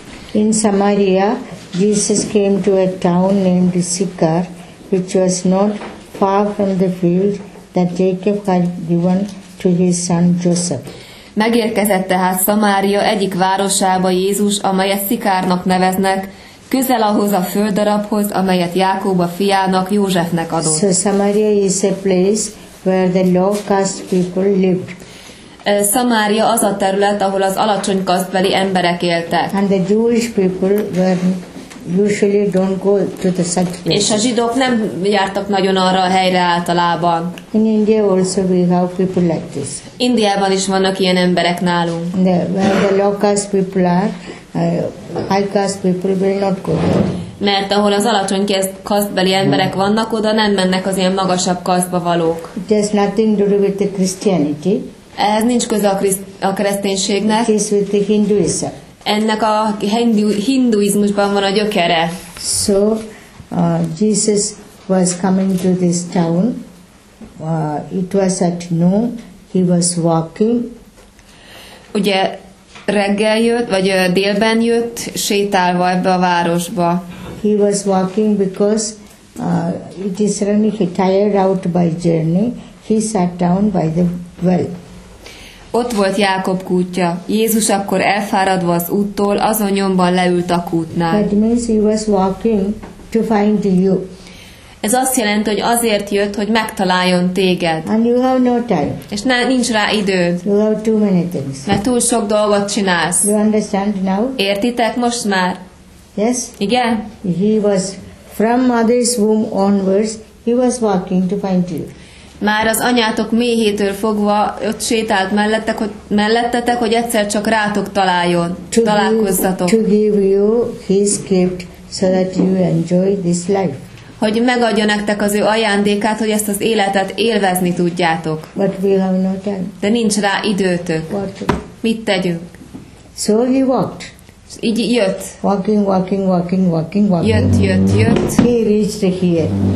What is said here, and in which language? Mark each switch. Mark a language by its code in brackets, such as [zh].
[en] In Samaria, Jesus came to a town named Sychar, which was not far from the field that Jacob had given to his son Joseph. [hu] Megérkezett tehát Samaria egyik városába Jézus, amelyet Sychárnak neveznek, közel ahhoz a földdarabhoz, amelyet Jákob a fiának, Józsefnek adott. [en] So Samaria is a place where the low caste people lived. [hu] Samaria az a terület, ahol az alacsony kasztbeli emberek éltek. [en] And the Jewish people were usually don't go to the such places. [hu] És a zsidók nem jártak nagyon arra a helyre általában. [en] In India also we have people like this. [hu] Indiában is vannak ilyen emberek nálunk. [en] Where the low caste people are, high caste people will not go there. [hu] Mert ahol az alacsony kasztbeli emberek vannak, oda nem mennek az ilyen magasabb kasztba valók. [en] It has nothing to do with the Christianity. [hu] Ehhez nincs köze a kereszténységnek. [en] It is with the Hinduism. [hu] Ennek a hinduizmusban van a gyökere. [en] So, Jesus was coming to this town. It was at noon. He was walking. [hu] Ugye reggel jött, vagy délben jött, sétálva ebbe a városba. [en] He was walking because it is raining. He tired out by journey. He sat down by the well. [hu] Ott volt Jákob kútja. Jézus akkor elfáradva az úttól, azon nyomban leült a kútnál. [en] That means he was walking to find you. [hu] Ez azt jelenti, hogy azért jött, hogy megtaláljon téged. [en] And you have no time. [hu] És nincs rá időd. [en] You have too many things. [hu] Mert túl sok dolgot csinálsz. [en] You understand now? [hu] Értitek most már? [en] Yes. [hu] Igen? [en] He was from mother's womb onwards, he was walking to find you. [hu] Már az anyátok méhétől fogva ott sétált mellettetek, hogy egyszer csak rátok találjon, [en] to [hu] találkozzatok. [en] Give, to give you his gift, so that you enjoy this life. [hu] Hogy megadja nektek az ő ajándékát, hogy ezt az életet élvezni tudjátok. [en] But we have no time. [hu] De nincs rá időtök. [en] What? [hu] Mit tegyünk? [en] So he walked. [hu] Így jött. [en] Walking, walking, walking, walking, walking. [hu] Jött. [en] He reached here.